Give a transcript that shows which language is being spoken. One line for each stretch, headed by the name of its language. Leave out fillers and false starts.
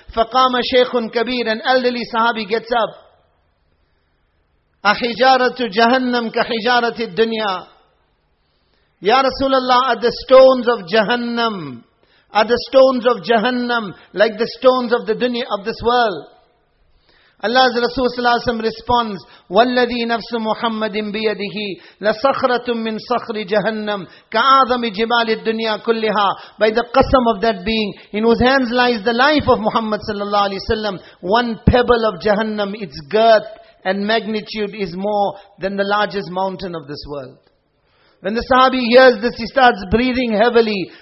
Arabic: فَقَامَ شَيْخٌ كَبِيرٌ,
English: an elderly sahabi gets up.
Arabic: أَحِجَارَةُ جَهَنَّمْ كَحِجَارَةِ الدُّنْيَا.
English: Ya Rasulullah, are the stones of Jahannam, are the stones of Jahannam like the stones of the dunya of this world? Allah's Rasul sallallahu alayhi wa sallam responds,
Arabic: وَالَّذِي نَفْسُ مُحَمَّدٍ بِيَدِهِ لَصَخْرَةٌ مِّن صَخْرِ جَهَنَّمْ كَعَظَمِ جِبَالِ الدُّنْيَا كُلِّهَا.
English: By the qasam of that being, in whose hands lies the life of Muhammad sallallahu alayhi wa sallam, one pebble of Jahannam, its girth and magnitude is more than the largest mountain of this world. When the sahabi hears this, he starts breathing heavily.